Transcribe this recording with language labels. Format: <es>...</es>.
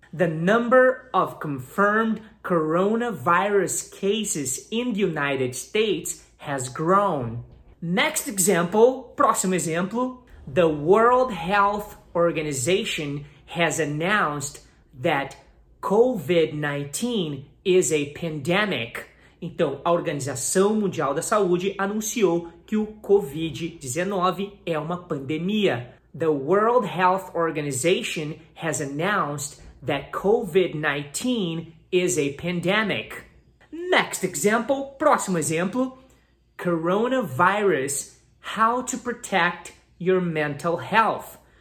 <en>The number of confirmed coronavirus cases in the United States has grown. Next example,</en> <pt>próximo exemplo.</pt> <en>The World Health Organization has announced that COVID-19 is a pandemic.</en> <pt>Então, a Organização Mundial da Saúde anunciou que o COVID-19 é uma pandemia.</pt> <en>The World Health Organization has announced that COVID-19 is a pandemic. Next example,</en> <pt>próximo exemplo.</pt> <en>Coronavirus, how to protect your mental health.</en>